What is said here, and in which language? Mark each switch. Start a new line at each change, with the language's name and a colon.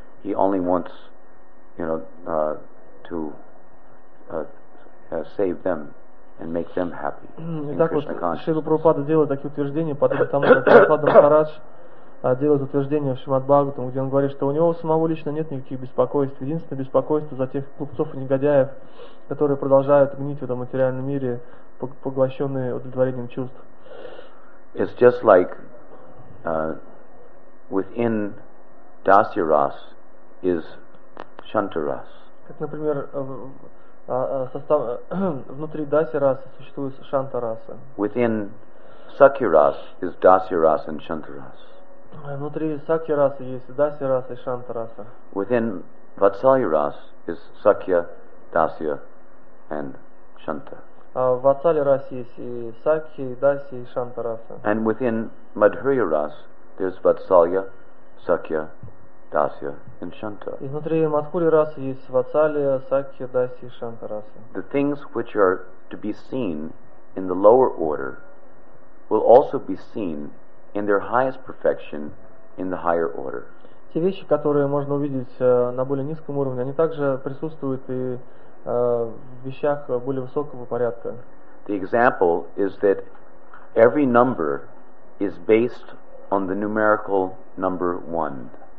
English: He only wants, you know, to save them and make them happy.
Russian: Итак, вот Шрила Прабхупада делает такие утверждения, потом там Прабхупада Махарадж делает утверждение в Шримад Бхагаватам, где он говорит, что у него самого лично нет никаких беспокойств. Единственное беспокойство за тех глупцов и негодяев, которые продолжают гнить в этом материальном мире, поглощенные удовлетворением чувств.
English: It's just like within Dasya Ras is Shanta Ras.
Russian: Как, например, состав внутри Dasya Rasa существует Shanta Rasa.
English: Within Sakya Ras is Dasya Ras and Shanta Ras.
Russian: Внутри Sakya Rasa есть Dasya Rasa и Shanta Rasa.
English: Within Vatsalya Ras is Sakya, Dasya and Shanta.
Russian: В Ацале Расе есть и Сакхи, и Даси, и Шанта Раса.
English: And within Madhurya Ras, there's Vatsalya, Sakya, Dasya and Shanta.
Russian: Изнутри Мадхури расы есть Ватсалия, Сакья, Дасья и Шанта расы.
English: The things which are to be seen in the lower order will also be seen in their highest perfection in the higher order.
Russian: Те вещи, которые можно увидеть на более низком уровне, они также присутствуют и в вещах более высокого порядка.
English: The example is that every number is based on the numerical number one.